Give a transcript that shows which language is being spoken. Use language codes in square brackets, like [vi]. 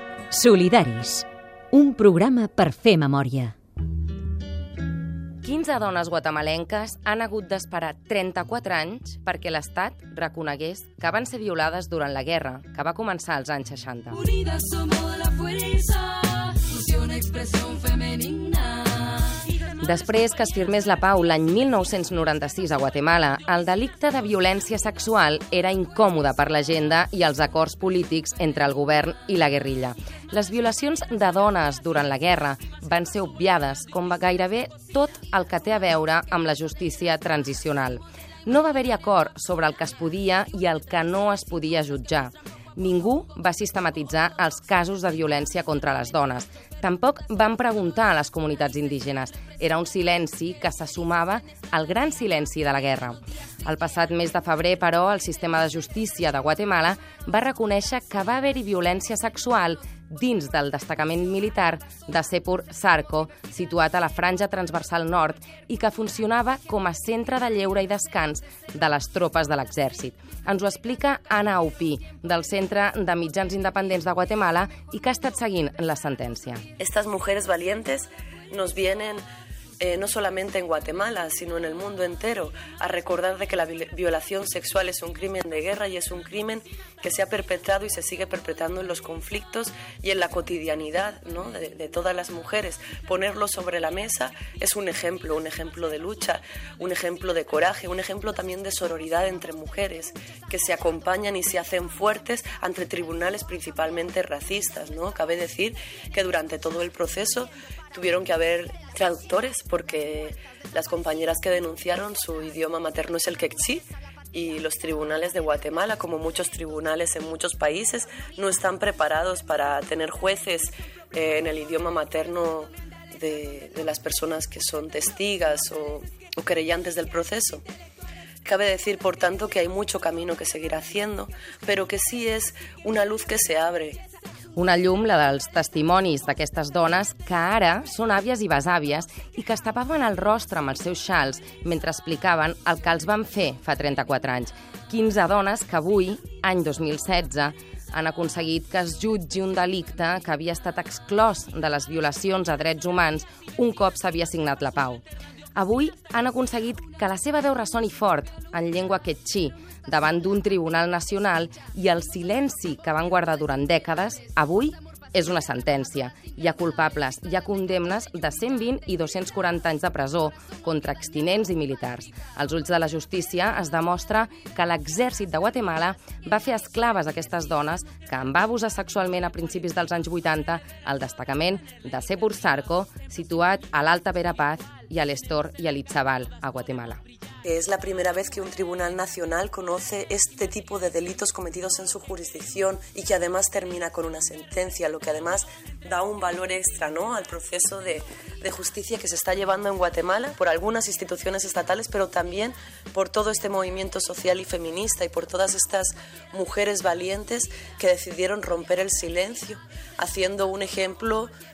[ca] Solidaris. Un programa per fer memòria. 15 dones guatemalenques han hagut d'esperar 34 anys perquè l'Estat reconegués que van ser violades durant la guerra, que va començar als anys 60. [es] Unidas somos la fuerza, fusión, expresión femenina. [ca] Després que es firmés la pau l'any 1996 a Guatemala, el delicte de violència sexual era incòmode per l'agenda i els acords polítics entre el govern i la guerrilla. Les violacions de dones durant la guerra van ser obviades, com gairebé tot el que té a veure amb la justícia transicional. No va haver-hi acord sobre el que es podia i el que no es podia jutjar. Ningú va sistematitzar els casos de violència contra les dones, Tampoc van preguntar a les comunitats indígenes. Era un silenci que se sumava al gran silenci de la guerra. El passat mes de febrer, però, el sistema de justícia de Guatemala va reconèixer que va haver-hi violència sexual dins del destacament militar de Sepur Sarco, situat a la franja transversal nord i que funcionava com a centre de lleure i descans de les tropes de l'exèrcit. Ens ho explica Anna Aupí, del Centre de Mitjans Independents de Guatemala i que ha estat seguint la sentència. [es] Estas mujeres valientes nos vienen no solamente en Guatemala, sino en el mundo entero, a recordar de que la violación sexual es un crimen de guerra y es un crimen que se ha perpetrado y se sigue perpetrando en los conflictos y en la cotidianidad, ¿no?, de todas las mujeres. Ponerlo sobre la mesa es un ejemplo de lucha, un ejemplo de coraje, un ejemplo también de sororidad entre mujeres que se acompañan y se hacen fuertes ante tribunales principalmente racistas, ¿no? Cabe decir que durante todo el proceso tuvieron que haber traductores porque las compañeras que denunciaron su idioma materno es el quechí y los tribunales de Guatemala, como muchos tribunales en muchos países, no están preparados para tener jueces en el idioma materno de las personas que son testigas o querellantes del proceso. Cabe decir, por tanto, que hay mucho camino que seguir haciendo, pero que sí es una luz que se abre. [ca] Una llum, la dels testimonis d'aquestes dones, que ara són àvies i besàvies i que es tapaven el rostre amb els seus xals mentre explicaven el que els van fer fa 34 anys. 15 dones que avui, any 2016, han aconseguit que es jutgi un delicte que havia estat exclòs de les violacions a drets humans un cop s'havia signat la pau. Avui han aconseguit que la seva veu ressoni fort en llengua quechí davant d'un tribunal nacional i el silenci que van guardar durant dècades, avui, és una sentència. Hi ha culpables, hi ha condemnes de 120 i 240 anys de presó contra extinents i militars. Als ulls de la justícia es demostra que l'exèrcit de Guatemala va fer esclaves aquestes dones que en va abusar sexualment a principis dels anys 80 al destacament de Sepur Sarco, situat a l'Alta Verapaz y al Estor y al Itzabal, a Guatemala. [es] Es la primera vez que un tribunal nacional conoce este tipo de delitos cometidos en su jurisdicción y que además termina con una sentencia, lo que además da un valor extra, ¿no?, al proceso de justicia que se está llevando en Guatemala por algunas instituciones estatales, pero también por todo este movimiento social y feminista y por todas estas mujeres valientes que decidieron romper el silencio, haciendo un ejemplo